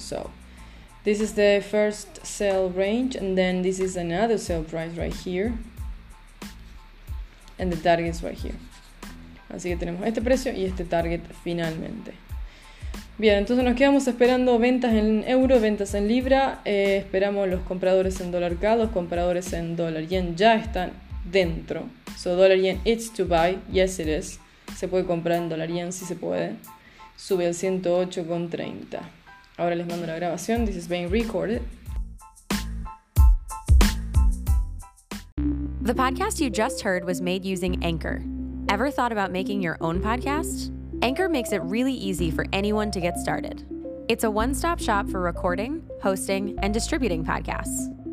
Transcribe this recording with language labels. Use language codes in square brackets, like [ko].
[en] So this is the first sell range, and then this is another sell price right here, and the target is right here. [es] Así que tenemos este precio y este target finalmente. Bien, entonces nos quedamos esperando ventas en euro, ventas en libra. Esperamos los compradores en dólar CAD, los compradores en dólar yen ya están dentro. [en] So dólar yen, it's to buy, yes it is. [es] Se puede comprar en dólar yen, si se puede. Sube al 108.30. Ahora les mando la grabación. [en] This is being recorded. The podcast you just heard was made using Anchor. Ever thought about making your own podcast? Anchor makes it really easy for anyone to get started. It's a one-stop shop for recording, hosting, and distributing podcasts.